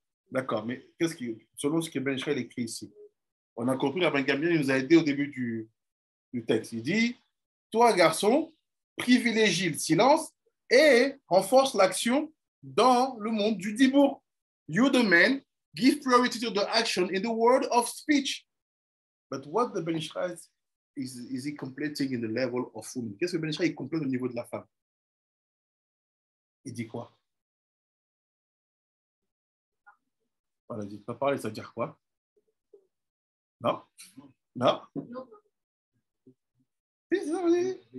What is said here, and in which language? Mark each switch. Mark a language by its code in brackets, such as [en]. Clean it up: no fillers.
[fr] D'accord, mais qu'est-ce qui, selon ce que Ben Israël écrit ici, on a compris, Rabban Gamliel nous a aidé au début du texte. Il dit, toi garçon, privilégie le silence et renforce l'action dans le monde du Dibour. [en] You the man. Give priority to the action in the world of speech. But what the Ben Israël is he completing in the level of woman? [fr] Qu'est-ce que Ben Israël complète au niveau de la femme? Il dit quoi? Voilà, il dit pas parler, ça veut dire quoi? Non? Non? Non.